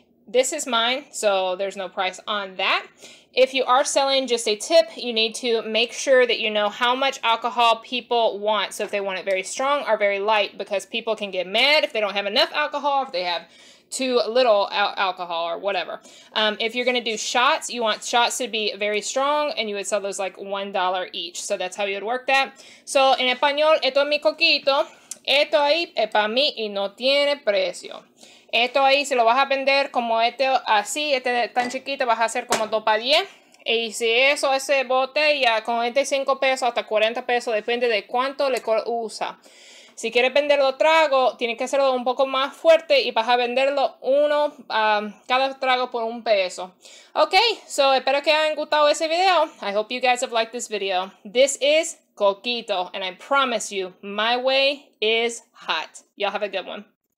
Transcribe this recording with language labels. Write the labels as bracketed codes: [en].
[en] This is mine, so there's no price on that. If you are selling, just a tip, you need to make sure that you know how much alcohol people want. So if they want it very strong or very light, because people can get mad if they don't have enough alcohol, if they have to little alcohol or whatever. If you're going to do shots, you want shots to be very strong, and you would sell those like $1 each. So that's how you would work that. So [es] en español, esto es mi coquito. Esto ahí es para mí y no tiene precio. Esto ahí, si lo vas a vender como este así, este tan chiquito, vas a hacer como 2 para 10. Y si eso, ese bote, ya con 25 pesos hasta 40 pesos, depende de cuánto le usa. Si quieres venderlo trago, tienes que hacerlo un poco más fuerte y vas a venderlo uno, cada trago por un peso. Okay, so espero que hayan gustado ese video. [en] I hope you guys have liked this video. This is Coquito, and I promise you, my way is hot. Y'all have a good one.